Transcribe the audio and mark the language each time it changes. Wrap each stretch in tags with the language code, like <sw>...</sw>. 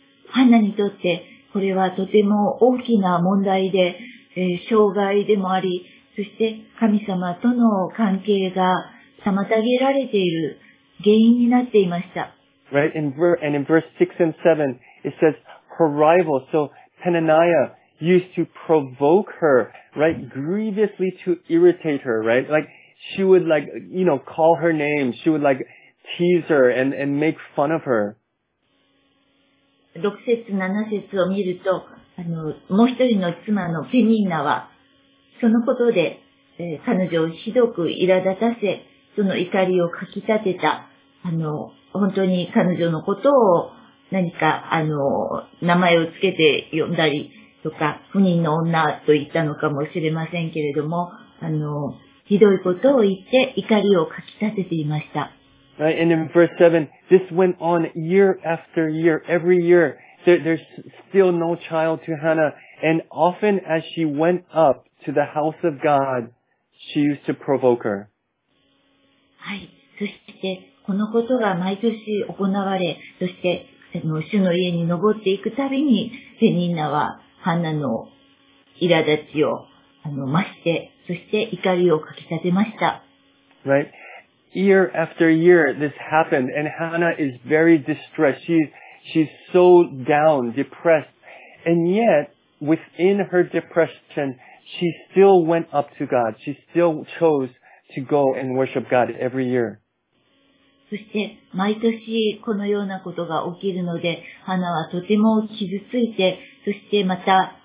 <ja>ハンナにとってこれはとても大きな問題で、障害でもあり、そして神様との関係が妨げられている原因になっていました。</ja> <en>Right, and in verse 6 and 7, it says her rival, so Penaniah,used to provoke her, right, grievously to irritate her, right? Like, she would like, you know, call her name, she would like, tease her and make fun of her.</en> <ja>6節、7節を見ると、もう一人の妻のペニーナは、そのことで、彼女をひどく苛立たせ、その怒りをかき立てた、本当に彼女のことを何か、名前をつけて呼んだり、とか不妊の女と言ったのかもしれませんけれども、ひどいことを言って怒りをかき立てていました。</ja> <en>Right, and in verse 7, this went on year after year, every year. There's still no child to Hannah, and often as she went up to the house of God, she used to provoke her.</en> <ja>はい、そしてこのことが毎年行われ、そして主の家に登っていくたびに、ペニーナはハンナの苛立ちを増して、そして怒りをかき立てました。</ja> <en>Right. Year after year, this happened, and Hannah is very distressed. She's so down, depressed. And yet, within her depression, she still went up to God. She still chose to go and worship God every year.</en> <ja>そして、毎年このようなことが起きるので、ハンナはとても傷ついて、そしてまた</ja>